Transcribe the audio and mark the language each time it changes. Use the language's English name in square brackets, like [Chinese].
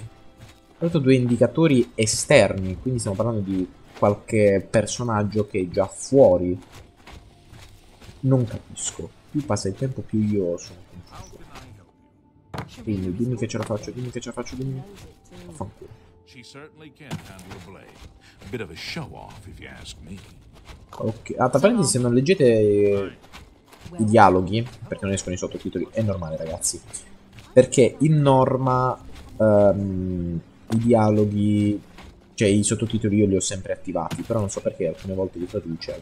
[Italian] Ho detto due indicatori esterni. Quindi stiamo parlando di qualche personaggio che è già fuori. Non capisco. Più passa il tempo, più io sono confuso. Quindi dimmi che ce la faccio, dimmi che ce la faccio, dimmi. Affanculo. [English] She certainly can't handle a blade. A bit of a show off, if you ask me. [Italian] Ok, ah, tra parentesi, se non [English] Bye. [Italian] leggete i [English] Well, [Italian] dialoghi, perché non escono i sottotitoli, è normale, ragazzi. Perché in norma i dialoghi, cioè i sottotitoli, io li ho sempre attivati, però non so perché alcune volte li traduce,